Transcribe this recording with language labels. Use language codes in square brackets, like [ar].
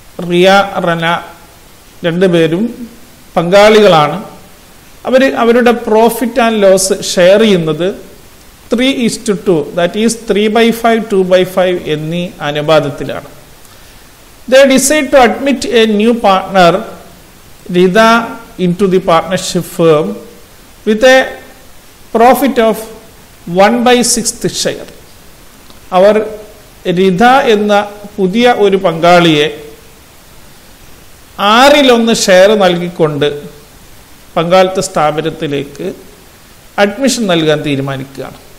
[ml] റിയ റെന രണ്ടുപേരും പങ്കാളികളാണ്. അവർ അവരുടെ profit and loss share ചെയ്യുന്നത് 3:2, ദാറ്റ് ഈസ് 3/5, 2/5 എന്നീ അനുപാതത്തിലാണ്. [en] They decide to admit a new partner Rita into the partnership firm with a profit of 1/6 share. [ml] അവർ രിത എന്ന പുതിയ ഒരു പങ്കാളിയെ 1/6 ഷെയർ നൽകിക്കൊണ്ട് പങ്കാളിത്ത സ്ഥാപനത്തിലേക്ക് അഡ്മിഷൻ നൽകാൻ തീരുമാനിക്കുകയാണ്.